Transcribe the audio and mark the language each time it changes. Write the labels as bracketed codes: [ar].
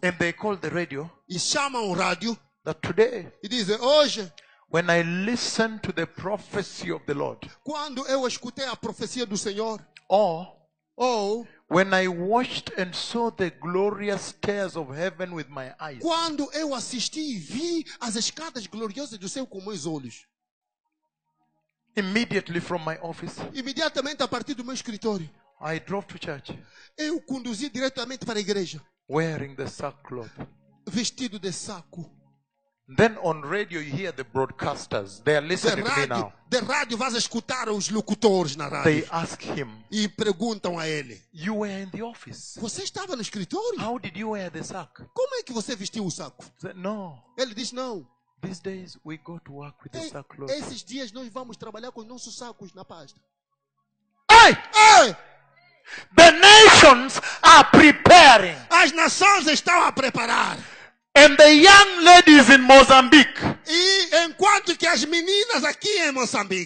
[en] and they call the radio, [pt] e chamam o rádio, [en] that today, [pt] e dizem hoje, [en] when I listen to the prophecy of the Lord, [pt] quando eu escutei a profecia do Senhor, [en] ou when I watched and saw the glorious stairs of heaven with my eyes, [pt] quando eu assisti e vi as escadas gloriosas do céu com meus olhos, [en] immediately from my office, [pt] imediatamente a partir do meu escritório, [en] I drove to church, [pt] eu conduzi diretamente para a igreja, [en] wearing the sackcloth, [pt] vestido de saco. [en] Then on radio you hear the broadcasters, they are listening [pt] de rádio, [en] to me now. [pt] De rádio vas escutar os locutores na rádio. [en] They ask him, [pt] e perguntam a ele, [en] you were in the office, [pt] você estava no escritório? [en] How did you wear the sack? [pt] Como é que você vestiu o saco? [en] No. [pt] Ele diz não. [en] These days we go to work with the sackcloth. [pt] Esses dias nós vamos trabalhar com nossos sacos na pasta. Ei! Ei! [en] The nations are preparing. [pt] As nações estão a preparar. [en] And the young ladies in Mozambique, [pt] e enquanto que as meninas aqui em Moçambique,